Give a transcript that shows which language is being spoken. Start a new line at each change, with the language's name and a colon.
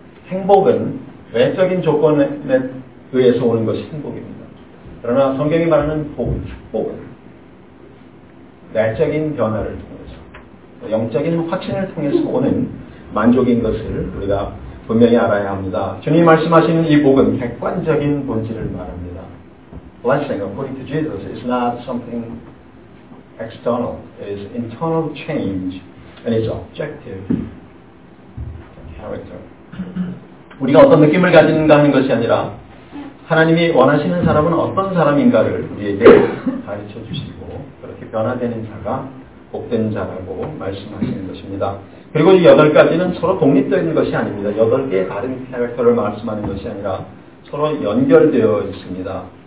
Korean: 행복은 외적인 조건에 의해서 오는 것이 행복입니다. 그러나 성경이 말하는 복, 축복은 내적인 변화를 통해서 영적인 확신을 통해서 오는 만족인 것을 우리가 분명히 알아야 합니다. 주님이 말씀하시는 이 복은 객관적인 본질을 말합니다.
English: Blessing according to Jesus is not something external. It is internal change and is objective character.
Korean: 우리가 어떤 느낌을 가진가 하는 것이 아니라 하나님이 원하시는 사람은 어떤 사람인가를 우리에게 가르쳐 주시고 그렇게 변화되는 자가 복된 자라고 말씀하시는 것입니다. 그리고 이 여덟 가지는 서로 독립된 것이 아닙니다. 여덟 개의 다른 캐릭터를 말씀하는 것이 아니라 서로 연결되어 있습니다.